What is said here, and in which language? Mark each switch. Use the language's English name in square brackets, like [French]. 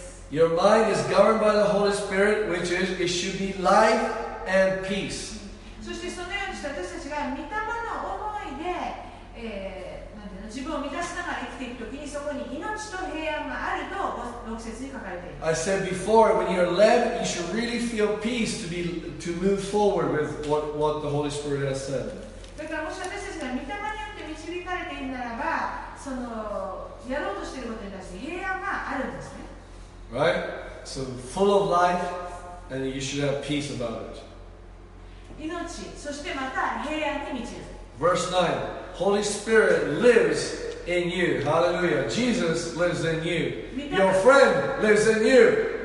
[English] Your mind is governed by the Holy Spirit, which is, it should be life and peace. [Japanese] そしてそのようにして私たちが御霊の思いで、なんていうの、自分を満たしながら生きていくときにそこに命と平安があると6節に書かれています。 [English] I said before, when you're led, you should really feel peace to move forward with what the Holy Spirit has said. [Japanese] だからもし私たちが御霊によって導かれているならば、そのやろうとしていることに対して平安があるんですね。 [English] Right? So full of life, and you should have peace about it. [Japanese] 命、そしてまた平安に満ちる。 [English] Verse 9. Holy Spirit lives in you. Hallelujah. Jesus lives in you. Your friend lives in you.